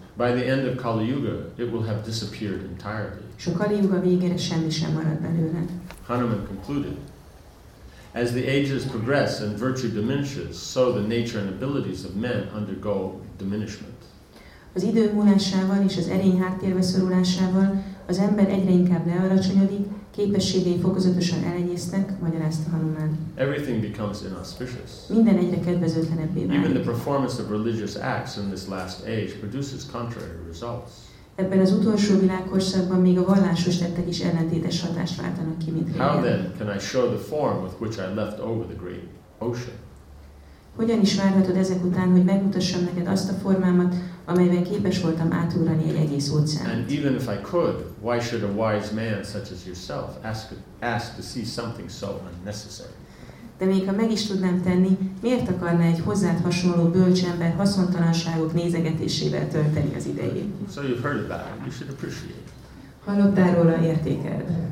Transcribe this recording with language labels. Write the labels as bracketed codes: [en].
[en] By the end of Kali Yuga, it will have disappeared entirely. [hu] S a Kali Yuga végére semmi sem marad belőle. [en] Hanuman concluded, as the ages progress and virtue diminishes, so the nature and abilities of men undergo diminishment. [hu] Az idő múlásával és az erény háttérbe szorulásával az ember egyre inkább lealacsonyodik, képességei fokozatosan elenyésznek, magyarázta Hanuman. [en] Everything becomes inauspicious. [hu] Minden egyre kedvezőtlenebbé válik. [en] Even the performance of religious acts in this last age produces contrary results. [hu] Ebben az utolsó világkorszakban még a vallásos tettek is ellentétes hatást váltanak ki, mint régen. [en] How then can I show the form with which I left over the great ocean? [hu] Hogyan is várhatod ezek után, hogy megmutassam neked azt a formámat, amelyben képes voltam átugrani egy egész óceánt? [en] And even if I could, why should a wise man such as yourself ask to see something so unnecessary? [hu] De még ha meg is tudnám tenni, miért akarna egy hozzád hasonló bölcs ember haszontalanságok nézegetésével tölteni az idejét? [en] So you've heard about it. You should appreciate it. [hu] Hallottál róla, értékeld.